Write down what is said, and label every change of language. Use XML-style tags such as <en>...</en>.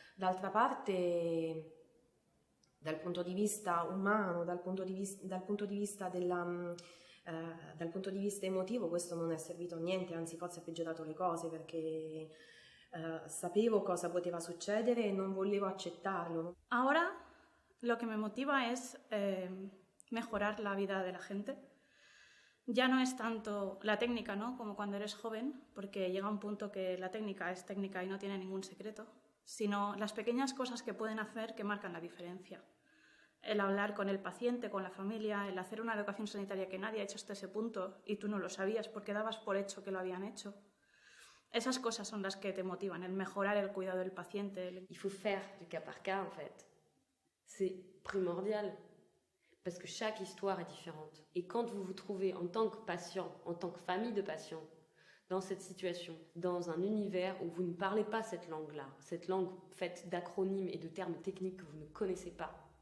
<it>D'altra parte, dal punto di vista umano, dal punto di vista emotivo, questo non è servito a niente, anzi forse ha peggiorato le cose, perché sapevo cosa poteva succedere e non volevo accettarlo. Ora, lo che mi motiva è migliorare la vita della gente.</it> <es>Ya no es tanto la técnica, ¿no? Como cuando eres joven, porque llega un punto que la técnica es técnica y no tiene ningún secreto, sino las pequeñas cosas que pueden hacer que marcan la diferencia. El hablar con el paciente, con la familia, el hacer una educación sanitaria que nadie ha hecho hasta ese punto y tú no lo sabías porque dabas por hecho que lo habían hecho. Esas cosas son las que te motivan, el mejorar el cuidado del paciente.</es> <fr>Il faut faire du cas par cas, en fait. C'est primordial. Parce que chaque histoire est différente. Et quand vous vous trouvez en tant que patient, en tant que famille de patients, dans cette situation, dans un univers où vous ne parlez pas cette langue-là, cette langue faite d'acronymes et de termes techniques que vous ne connaissez pas,</fr>